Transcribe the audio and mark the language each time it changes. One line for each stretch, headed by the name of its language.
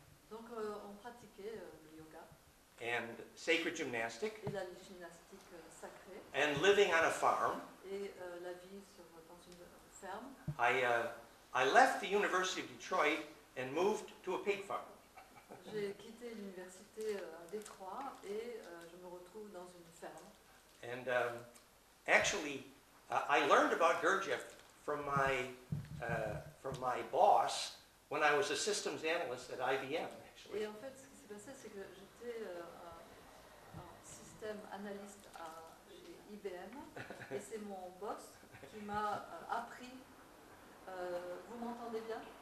French: Donc, on pratiquait le yoga.
English: And sacred gymnastic.
French: Et la gymnastique sacrée.
English: And living on a farm.
French: Et la vie dans une ferme.
English: I left the University of Detroit and moved to a pig farm.
French: J'ai quitté l'université à Détroit et je me retrouve dans une ferme.
English: And actually, I learned about Gurdjieff from my boss when I was a systems analyst at IBM, actually.
French: Et en fait, ce qui s'est passé, c'est que j'étais un système analyste chez IBM, et c'est mon boss qui m'a appris, vous m'entendez bien?